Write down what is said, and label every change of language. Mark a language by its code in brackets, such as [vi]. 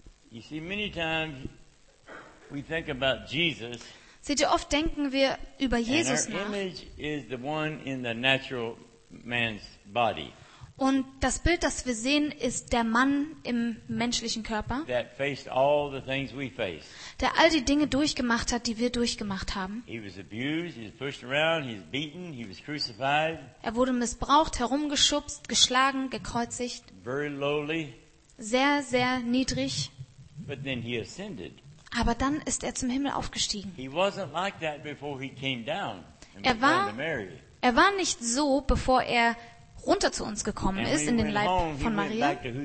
[en] You see, many times we think about Jesus. [de] Seht ihr, oft denken wir über Jesus nach. [en] Image is the one in the natural man's body. [de] Und das Bild, das wir sehen, ist der Mann im menschlichen Körper, [en] that faced all the things we faced. [de] Der all die Dinge durchgemacht hat, die wir durchgemacht haben. [en] He was abused, he was pushed around, he was beaten, he was crucified. [de] Er wurde missbraucht, herumgeschubst, geschlagen, gekreuzigt. [en] Very lowly. [de] Sehr, sehr niedrig. [en] But then he ascended. [de] Aber dann ist er zum Himmel aufgestiegen. [en] He wasn't like that before he came down. [de] Er war nicht so, bevor er runter zu uns gekommen ist, in den Leib von Maria.